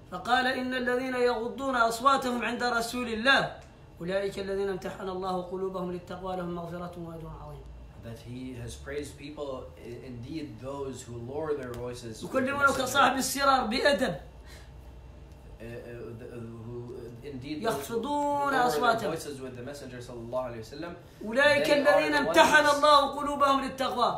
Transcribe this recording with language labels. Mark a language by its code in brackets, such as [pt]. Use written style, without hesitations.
[ar] فقال إن الذين يغضون أصواتهم عند رسول الله أولئك الذين امتحن الله قلوبهم للتقوى لهم مغفرة وأجر عظيم. [en] That he has praised people indeed those who lower their voices. [ar] يكلمونك صاحب السرار بأدب. [en] Who indeed [ar] يخفضون أصواتهم. [en] Voices with the Messenger صلى الله عليه وسلم. [ar] أولئك الذين امتحن الله قلوبهم للتقوى.